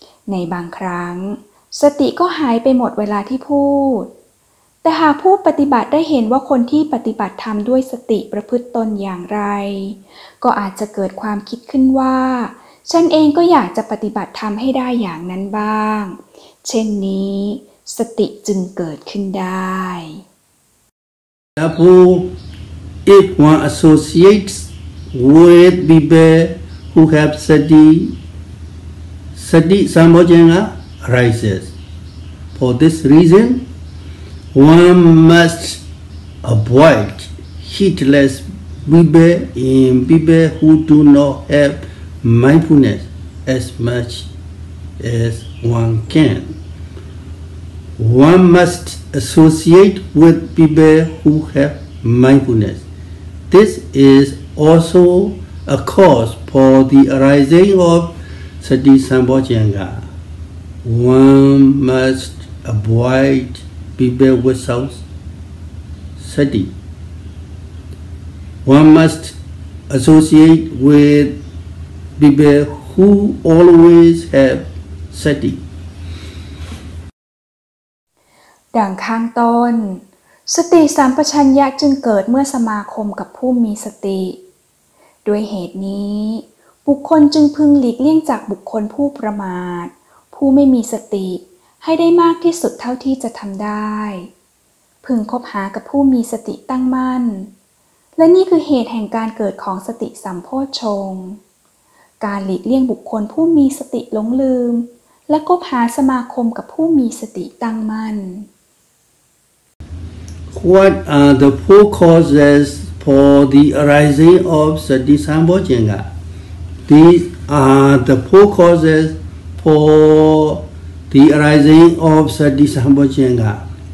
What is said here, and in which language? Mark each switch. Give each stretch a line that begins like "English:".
Thai: ในบางครั้งสติก็หายไปหมดเวลาที่พูดแต่หากผู้ปฏิบัติได้เห็นว่าคนที่ปฏิบัติธรรมด้วยสติประพฤติตนอย่างไรก็อาจจะเกิดความคิดขึ้นว่าฉันเองก็อยากจะปฏิบัติธรรมให้ได้อย่างนั้นบ้างเช่นนี้สติจึงเกิดขึ้นได้
English: Therefore, if one associates with people who have sati, sati sambojana arises. For this reason, one must avoid heedless people and people who do not haveMindfulness as much as one can. One must associate with people who have mindfulness. This is also a cause for the arising of sati sambojanga. One must avoid people without sati. One must associate withpeople who always have sati.
Thai: ดังข้างต้นสติสัมปชัญญะจึงเกิดเมื่อสมาคมกับผู้มีสติด้วยเหตุนี้บุคคลจึงพึงหลีกเลี่ยงจากบุคคลผู้ประมาทผู้ไม่มีสติให้ได้มากที่สุดเท่าที่จะทำได้พึงคบหากับผู้มีสติตั้งมั่นและนี่คือเหตุแห่งการเกิดของสติสัมโพชงการหลีกเลี่ยงบุคคลผู้มีสติหลงลืมและก็หาสมาคมกับผู้มีสติตั้งมั่น
English: What are the four causes for the arising of sati sambojanga? These are the four causes for the arising of sati sambojanga.